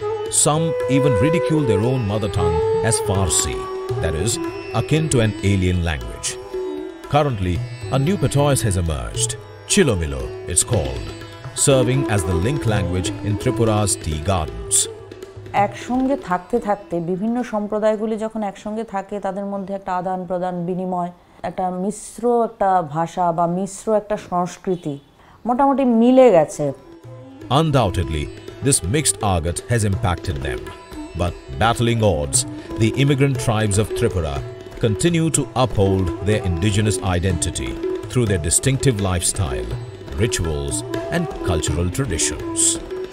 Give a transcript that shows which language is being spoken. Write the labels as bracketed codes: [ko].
[en] Some even ridicule their own mother tongue as Farsi, that is, akin to an alien language. Currently, a new patois has emerged, Chilomilo it's called, serving as the link language in Tripura's tea gardens. [bn] একসঙ্গে থাকতে থাকতে বিভিন্ন সম্প্রদায়গুলি যখন একসঙ্গে থাকে তাদের মধ্যে একটা আদান প্রদান বিনিময় একটা মিশ্র একটা ভাষা বা মিশ্র একটা সংস্কৃতি মোটামুটি মিলে গেছে [en] Undoubtedly, this mixed agat has impacted them. But battling odds, the immigrant tribes of Tripura continue to uphold their indigenous identity through their distinctive lifestyle, rituals, and cultural traditions.